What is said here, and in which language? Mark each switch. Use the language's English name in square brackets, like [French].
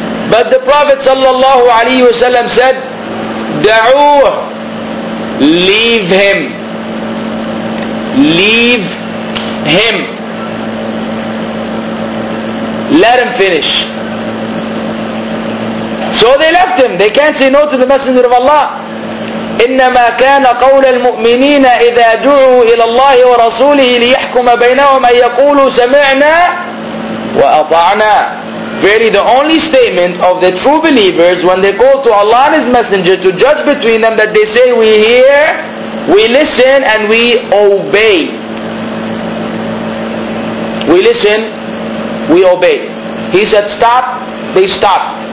[English] But the Prophet sallallahu alaihi wasallam said, "Da'u, leave him. Leave him. Let him finish." So they left him. They can't say no to the Messenger of Allah. [Arabic] إنما كان قول المؤمنين إذا دعوا إلى الله ورسوله ليحكم بينهم أن يقولوا سمعنا وأطعنا. [English] Verily, the only statement of the true believers when they go to Allah and His Messenger to judge between them, that they say, we hear, we listen, and we obey. We listen, we obey. He said, stop, they stopped.